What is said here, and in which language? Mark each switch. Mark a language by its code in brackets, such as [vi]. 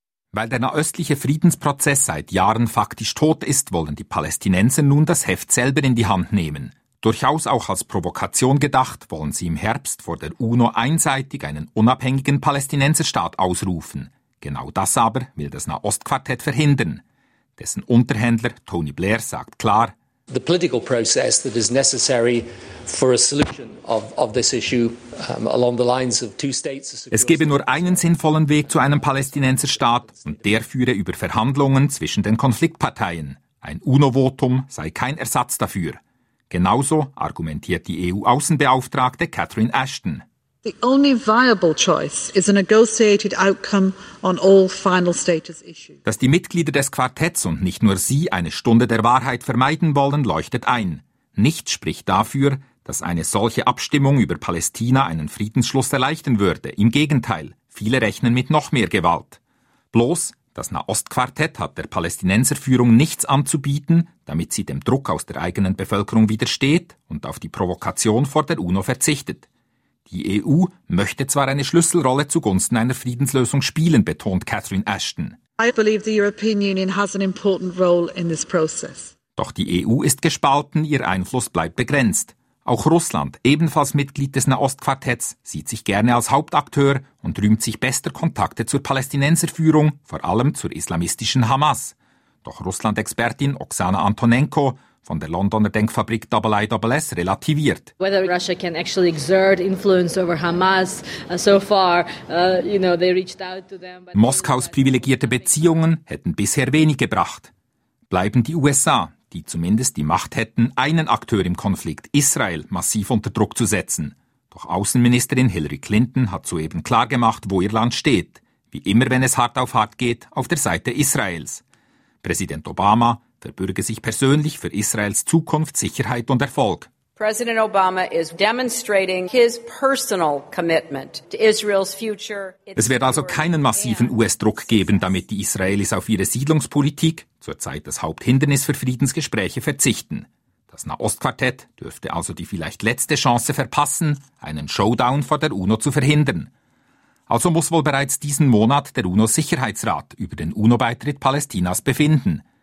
[de] Weil der nahöstliche Friedensprozess seit Jahren faktisch tot ist, wollen die Palästinenser nun das Heft selber in die Hand nehmen. Durchaus auch als Provokation gedacht, wollen sie im Herbst vor der UNO einseitig einen unabhängigen Palästinenserstaat ausrufen. Genau das aber will das Nahostquartett verhindern. Dessen Unterhändler Tony Blair sagt klar: [en] The political process that is necessary for a solution of this issue along the lines of two states. [de] Es gebe nur einen sinnvollen Weg zu einem Palästinenserstaat und der führe über Verhandlungen zwischen den Konfliktparteien. Ein UNO-Votum sei kein Ersatz dafür. Genauso argumentiert die EU-Außenbeauftragte Catherine Ashton. [en] The only viable choice is a negotiated outcome on all final status issues. [de] Dass die Mitglieder des Quartetts und nicht nur sie eine Stunde der Wahrheit vermeiden wollen, leuchtet ein. Nichts spricht dafür, dass eine solche Abstimmung über Palästina einen Friedensschluss erleichtern würde. Im Gegenteil, viele rechnen mit noch mehr Gewalt. Bloß, das Nahostquartett hat der Palästinenserführung nichts anzubieten, damit sie dem Druck aus der eigenen Bevölkerung widersteht und auf die Provokation vor der UNO verzichtet. Die EU möchte zwar eine Schlüsselrolle zugunsten einer Friedenslösung spielen, betont Catherine Ashton. [en] I believe the European Union has an important role in this process. [de] Doch die EU ist gespalten, ihr Einfluss bleibt begrenzt. Auch Russland, ebenfalls Mitglied des Nahostquartetts, sieht sich gerne als Hauptakteur und rühmt sich bester Kontakte zur Palästinenserführung, vor allem zur islamistischen Hamas. Doch Russland-Expertin Oksana Antonenko von der Londoner Denkfabrik IISS relativiert. [en] Whether Russia can actually exert influence over Hamas so far, you know, they reached out to them. [de] Moskaus privilegierte Beziehungen hätten bisher wenig gebracht. Bleiben die USA, die zumindest die Macht hätten, einen Akteur im Konflikt, Israel, massiv unter Druck zu setzen. Doch Außenministerin Hillary Clinton hat soeben klargemacht, wo ihr Land steht. Wie immer, wenn es hart auf hart geht, auf der Seite Israels. Präsident Obama verbürge sich persönlich für Israels Zukunft, Sicherheit und Erfolg. [en] President Obama is demonstrating his personal commitment to Israel's future. [de] Es wird also keinen massiven US-Druck geben, damit die Israelis auf ihre Siedlungspolitik, zurzeit das Haupthindernis für Friedensgespräche, verzichten. Das Nahostquartett dürfte also die vielleicht letzte Chance verpassen, einen Showdown vor der UNO zu verhindern. Also muss wohl bereits diesen Monat der UNO-Sicherheitsrat über den UNO-Beitritt Palästinas befinden.